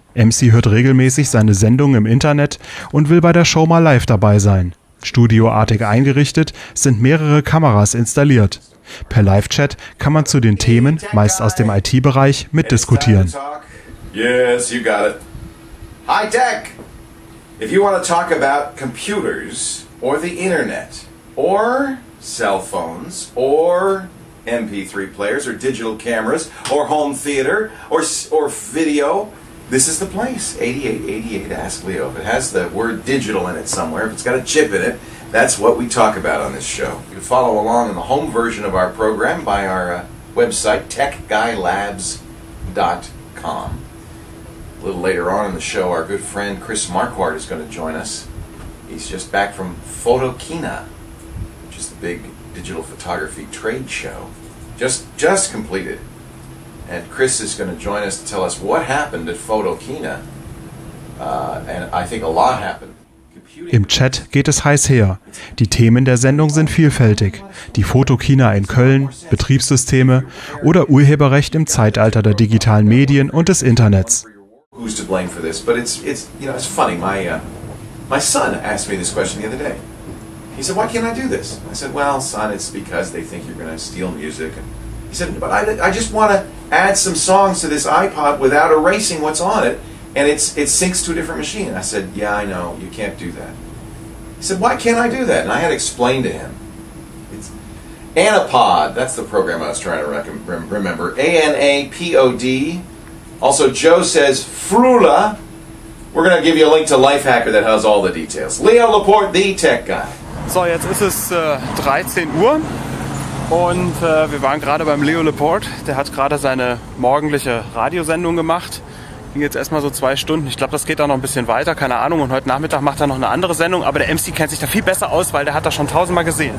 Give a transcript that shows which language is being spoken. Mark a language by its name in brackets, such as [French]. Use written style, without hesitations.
[German] MC hört regelmäßig seine Sendung im Internet und will bei der Show mal live dabei sein. Studioartig eingerichtet sind mehrere Kameras installiert. Per Live-Chat kann man zu den Themen, meist aus dem IT-Bereich, mitdiskutieren. [English] Yes, you got it. High tech! If you want to talk about computers or the internet or cell phones or MP3 players or digital cameras or home theater or video, this is the place. 8888 Ask Leo. If it has the word digital in it somewhere, if it's got a chip in it, that's what we talk about on this show. You can follow along in the home version of our program by our website, techguylabs.com. A little later on in the show, our good friend Chris Marquardt is going to join us. He's just back from Photokina, which is the big digital photography trade show. Just completed. And Chris is going to join us to tell us what happened at Photokina. And I think a lot happened. [German] Im Chat geht es heiß her. Die Themen der Sendung sind vielfältig. Die Photokina in Köln, Betriebssysteme oder Urheberrecht im Zeitalter der digitalen Medien und des Internets. [English] Who's to blame for this? But it's you know, it's funny. My son asked me this question the other day. He said, "Why can't I do this?" I said, "Well, son, it's because they think you're going to steal music." And he said, "But I just want to add some songs to this iPod without erasing what's on it, and it syncs to a different machine." I said, "Yeah, I know. You can't do that." He said, "Why can't I do that?" And I had explained to him. It's Anapod. That's the program I was trying to remember. Anapod. Also, Joe says, Frula, we're going to give you a link to Lifehacker that has all the details. Leo Laporte, the tech guy. [German] So, jetzt ist es 13 Uhr und wir waren gerade beim Leo Laporte. Der hat gerade seine morgendliche Radiosendung gemacht. Ging jetzt erstmal so 2 Stunden. Ich glaube, das geht da noch ein bisschen weiter, keine Ahnung. Und heute Nachmittag macht er noch eine andere Sendung. Aber der MC kennt sich da viel besser aus, weil der hat das schon 1000 Mal gesehen.